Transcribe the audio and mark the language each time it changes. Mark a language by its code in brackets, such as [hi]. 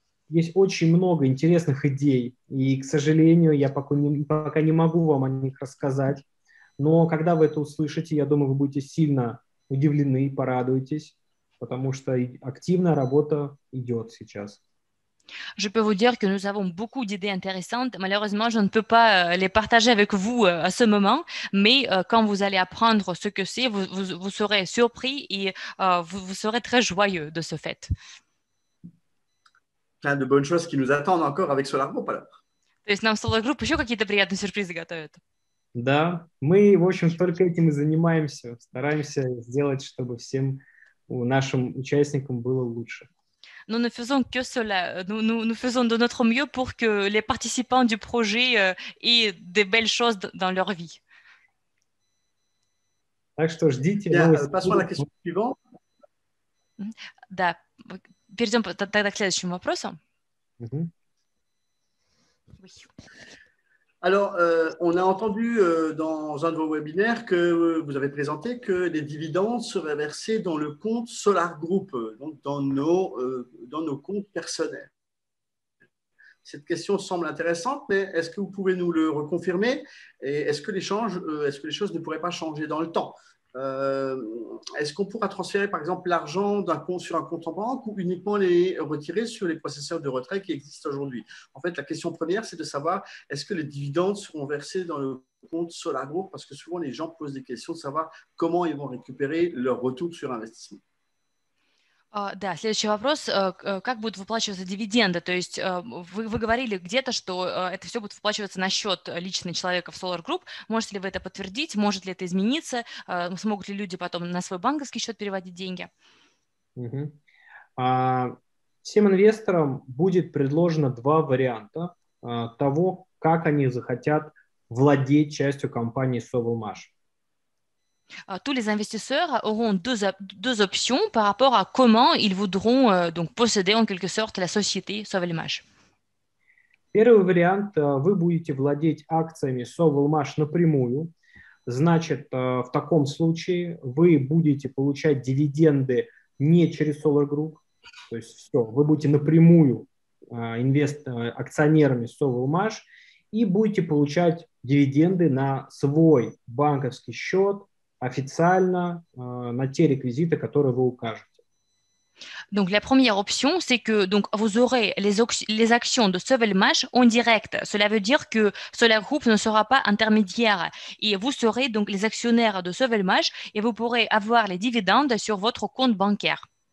[ru] Есть очень много интересных идей, и, к сожалению, я пока не могу вам о них рассказать. Но когда вы это услышите, я думаю, вы будете сильно удивлены и порадуетесь, потому что активная работа идет сейчас. [fr] Je peux vous dire que nous avons beaucoup d'idées intéressantes. Malheureusement, je ne peux pas les partager avec vous à ce moment, mais quand vous allez apprendre ce que c'est, vous serez surpris et vous serez très joyeux de ce fait. Plein de bonnes choses qui nous attendent encore avec Solar Group, alors. [ru] То есть нам Solar Group еще какие-то приятные сюрпризы готовят. Да, мы, в общем, только этим и занимаемся. Стараемся сделать, чтобы всем нашим участникам было лучше. [fr] Nous ne faisons que cela. Nous faisons de notre mieux pour que les participants du projet aient des belles choses dans leur vie. [ru] Так что ждите [fr] Bien, [ru] новости. [fr] passons à la question suivante. [ru] Да, перейдем тогда к следующему вопросу. [fr] Oui. Alors, on a entendu dans un de vos webinaires que vous avez présenté que les dividendes seraient versés dans le compte Solar Group, donc dans nos comptes personnels. Cette question semble intéressante, mais est-ce que vous pouvez nous le reconfirmer? Et est-ce que les choses ne pourraient pas changer dans le temps? Est-ce qu'on pourra transférer par exemple l'argent d'un compte sur un compte en banque ou uniquement les retirer sur les processeurs de retrait qui existent aujourd'hui? En fait, la question première, c'est de savoir est-ce que les dividendes seront versés dans le compte Solar Group? Parce que souvent, les gens posent des questions de savoir comment ils vont récupérer leur retour sur investissement. [ru] Да, следующий вопрос. Как будут выплачиваться дивиденды? То есть вы говорили где-то, что это все будет выплачиваться на счет лично человека в Solar Group. Можете ли вы это подтвердить? Может ли это измениться? Смогут ли люди потом на свой банковский счет переводить деньги? Всем инвесторам будет предложено два варианта того, как они захотят владеть частью компании Sovelmash. [fr] Tous les investisseurs auront deux options par rapport à comment ils voudront donc posséder en quelque sorte la société Sauvelmash. [ru] Первый вариант, вы будете владеть акциями Sovelmash напрямую. Значит, в таком случае вы будете получать дивиденды не через Solar Group. То есть все, вы будете напрямую акционерами Sovelmash. и будете получать дивиденды на свой банковский счет официально на те реквизиты, которые вы укажете. [fr] Donc, la première option, c'est que donc, vous aurez les actions de Sovelmash en direct. Cela veut dire que Solar Group ne sera pas intermédiaire et vous serez donc les actionnaires de Sovelmash et vous pourrez avoir les dividendes sur votre compte bancaire.